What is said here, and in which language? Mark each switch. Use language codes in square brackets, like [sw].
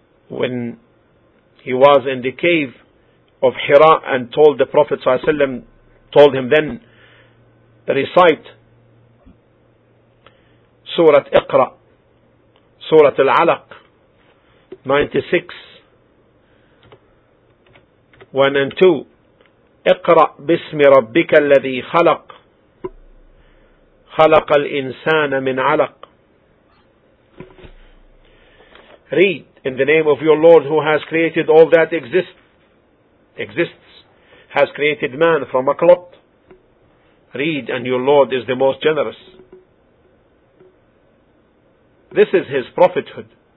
[en] in the cave of Hira, and told the Prophet sallallahu alayhi wasallam, told him then recite Surat Iqra, Surat Al-Alaq 96, 1 and 2. [ar] اقرأ باسم ربك الذي خلق خلق الإنسان من علق. [en] Read in the name of your Lord who has created all that exists, has created man from a clot. Read, and your Lord is the most generous. This is his prophethood.